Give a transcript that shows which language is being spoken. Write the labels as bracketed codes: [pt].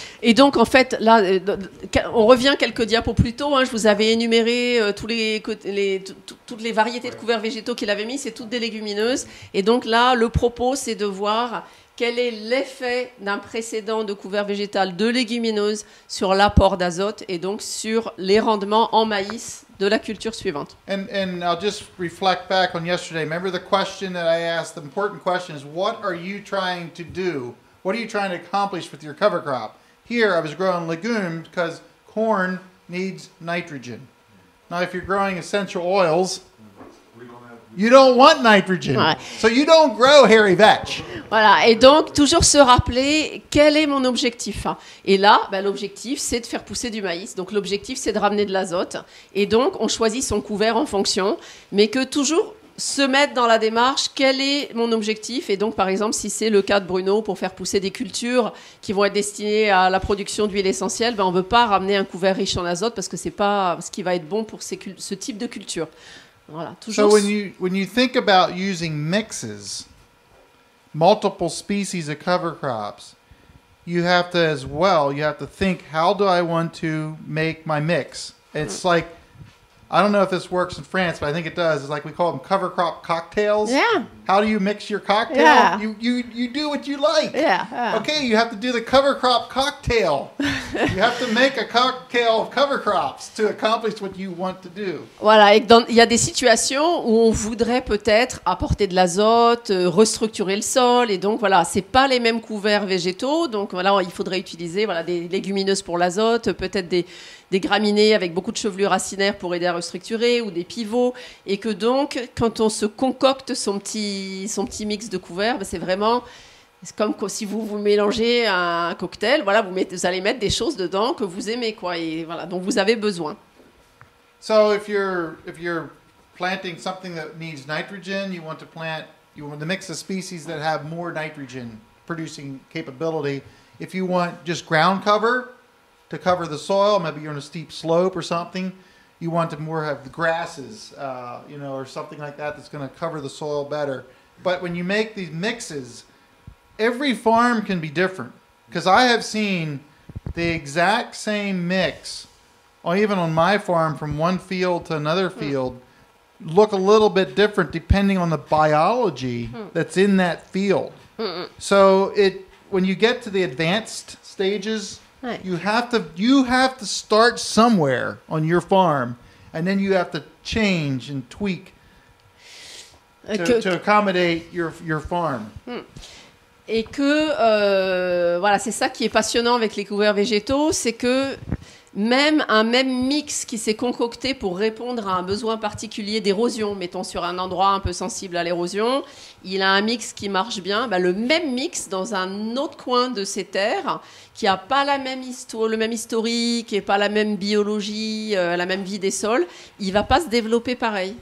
[fr] Et donc, en fait, là, on revient quelques diapos plus tôt. Hein, je vous avais énuméré toutes les variétés de couverts végétaux qu'il avait mis. C'est toutes des légumineuses. Et donc là, le propos, c'est de voir quel est l'effet d'un précédent de couvert végétal de légumineuses sur l'apport d'azote et donc sur les rendements en maïs de la culture suivante. [en] And I'll just reflect back on yesterday. Remember the question that I asked, the important question is, what are you trying to do? What are you trying to accomplish with your cover crop? Here, I was growing legumes because corn needs nitrogen. Now, if you're growing essential oils, you don't want nitrogen. Ouais. So you don't grow hairy vetch. [fr] Voilà, et donc, toujours se rappeler, quel est mon objectif? Et là, ben, l'objectif, c'est de faire pousser du maïs. Donc l'objectif, c'est de ramener de l'azote. Et donc, on choisit son couvert en fonction, mais que toujours... se mettre dans la démarche, quel est mon objectif? Et donc, par exemple, si c'est le cas de Bruno, pour faire pousser des cultures qui vont être destinées à la production d'huile essentielle, ben, on ne veut pas ramener un couvert riche en azote parce que ce n'est pas ce qui va être bon pour ce type de culture. Voilà, toujours. [en] So when you think about using mixes, multiple species of cover crops, you have to think, how do I want to make my mix? It's like, I don't know if this works in France, but I think it does. It's like we call them cover crop cocktails. Yeah. How do you mix your cocktail? Yeah. You do what you like. Yeah. Okay, you have to do the cover crop cocktail. You have to make a cocktail of cover crops to accomplish what you want to do. [fr] Voilà, et il y a des situations où on voudrait peut-être apporter de l'azote, restructurer le sol, et donc voilà, c'est pas les mêmes couverts végétaux, donc voilà, il faudrait utiliser voilà des légumineuses pour l'azote, peut-être des graminées avec beaucoup de chevelures racinaires pour aider à restructurer, ou des pivots, et que donc, quand on se concocte son petit mix de couverts, ben c'est vraiment c'est comme si vous mélangez un cocktail, voilà, vous allez mettre des choses dedans que vous aimez, quoi, et voilà, dont vous avez besoin. [en] So if you're planting something that needs nitrogen, you want to mix of species that have more nitrogen producing capability. If you want just ground cover, to cover the soil, maybe you're on a steep slope or something, you want to more have the grasses, or something like that that's going to cover the soil better. But when you make these mixes, every farm can be different. Because I have seen the exact same mix, or even on my farm, from one field to another field, look a little bit different depending on the biology that's in that field. So when you get to the advanced stages, You have to start somewhere on your farm, and then you have to change and tweak to accommodate your farm. [fr] Et que voilà, c'est ça qui est passionnant avec les couverts végétaux, c'est que même un même mix qui s'est concocté pour répondre à un besoin particulier d'érosion, mettons sur un endroit un peu sensible à l'érosion, il a un mix qui marche bien, ben le même mix dans un autre coin de ses terres qui n'a pas le même historique et pas la même biologie, la même vie des sols, il ne va pas se développer pareil.